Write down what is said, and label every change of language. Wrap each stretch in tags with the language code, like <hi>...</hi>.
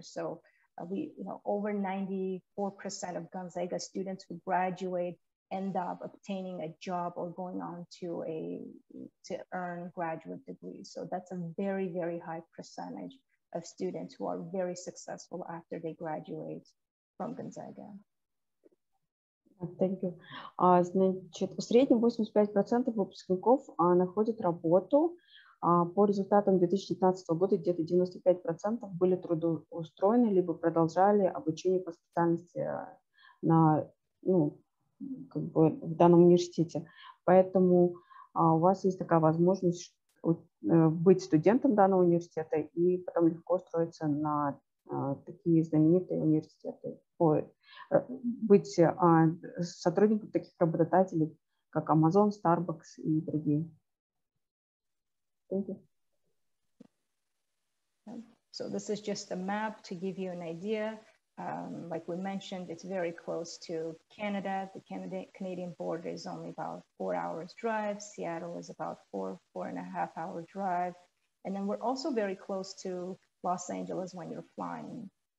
<en>So we, you know, over 94% of Gonzaga students who graduate end up obtaining a job or going on to earn graduate degrees. So that's a very, very high percentage of students who are very successful after they graduate from Gonzaga. Thank you.</en> <ru>Значит, в среднем 85% выпускников находят работу. По результатам 2019 года где-то 95% были трудоустроены либо продолжали обучение по специальности на, ну, как бы в данном университете. Поэтому у вас есть такая возможность быть студентом данного университета и потом легко устроиться на такие знаменитые университеты, быть сотрудником таких работодателей, как Amazon, Starbucks и другие.</ru> <en>So this is just a map to give you an idea. Like we mentioned, it's very close to Canada. The Canadian border is only about 4 hours drive. Seattle is about four and a half hour drive. And then we're also very close to Los Angeles when you're flying.</en>